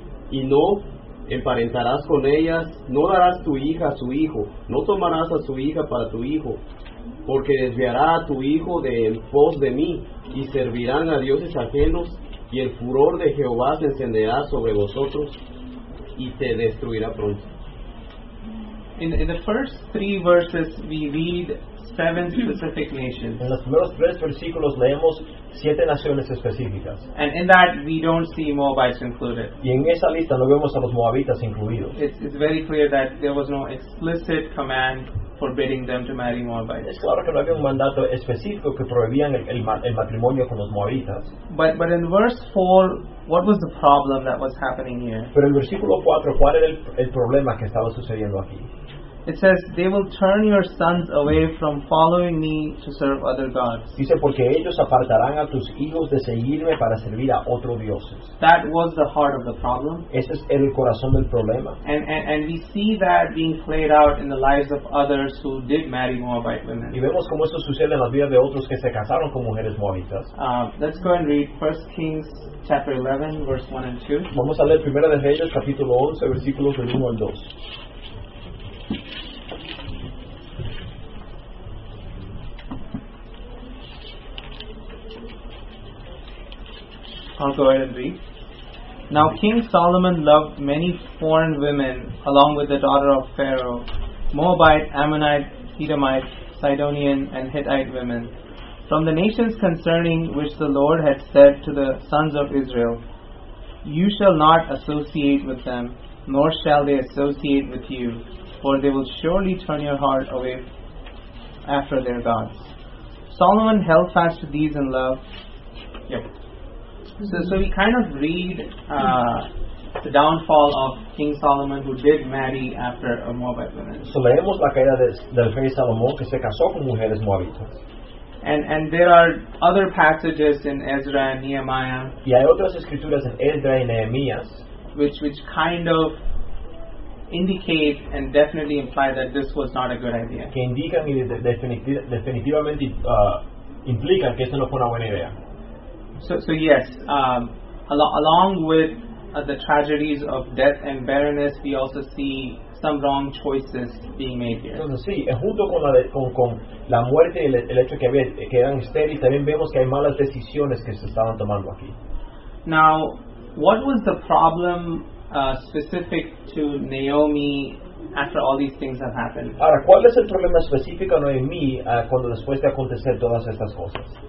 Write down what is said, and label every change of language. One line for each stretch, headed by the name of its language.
Spanish: y no emparentarás con ellas, no darás tu hija a su hijo, no tomarás a su hija para tu hijo, porque desviará a tu hijo de en pos de mí, y servirán a dioses ajenos, y el furor de Jehová se encenderá sobre vosotros, y te destruirá pronto.
English: In the first three verses, we read seven specific nations.
Spanish: En los primeros tres versículos leemos siete naciones específicas.
English: And in that, we don't see Moabites included.
Spanish: Y en esa lista no vemos a los Moabitas incluidos.
English: It's very clear that there was no explicit command forbidding them to marry Moabites.
Spanish: Es claro que no había un mandato específico que prohibían el matrimonio con los Moabitas.
English: But in verse 4, what was the problem that was happening here?
Spanish: Pero en versículo 4, ¿cuál era el problema que estaba sucediendo aquí?
English: It says, they will turn your sons away from following me to serve other gods.
Spanish: Dice, porque ellos apartarán a tus hijos de seguirme para servir a otros dioses.
English: That was the heart of the problem.
Spanish: Ese es el corazón del problema.
English: And we see that being played out in the lives of others who did marry Moabite women.
Spanish: Y vemos cómo esto sucede en las vidas de otros que se casaron con mujeres moabitas.
English: Let's go and read 1 Kings chapter 11, verse 1 and 2.
Spanish: Vamos a leer primero de Reyes capítulo 11, versículos del 1 al 2.
English: I'll go ahead and read. Now King Solomon loved many foreign women along with the daughter of Pharaoh, Moabite, Ammonite, Edomite, Sidonian, and Hittite women, from the nations concerning which the Lord had said to the sons of Israel, you shall not associate with them, nor shall they associate with you, for they will surely turn your heart away after their gods. Solomon held fast to these in love. Yep. So we kind of read the downfall of King Solomon, who did marry after a Moabite woman.
Spanish: So leemos la caída del rey Salomón, que se casó con mujeres moabitas.
English: And there are other passages in Ezra and Nehemiah.
Spanish: Y hay otras escrituras en Ezra y Nehemías,
English: which kind of indicate and definitely imply that this was not a good idea.
Spanish: Que indican y definitivamente implican que esto no fue una buena idea.
English: So yes, along with the tragedies of death and barrenness, we also see some wrong choices being made here.
Spanish: Entonces sí, junto con la muerte y el hecho que había que eran estériles, también vemos que hay malas decisiones que se estaban tomando aquí.
English: Now, what was the problem specific to Naomi after all these things have happened?
Spanish: Ahora, ¿cuál es el problema específico a Naomi cuando después de acontecer todas estas cosas?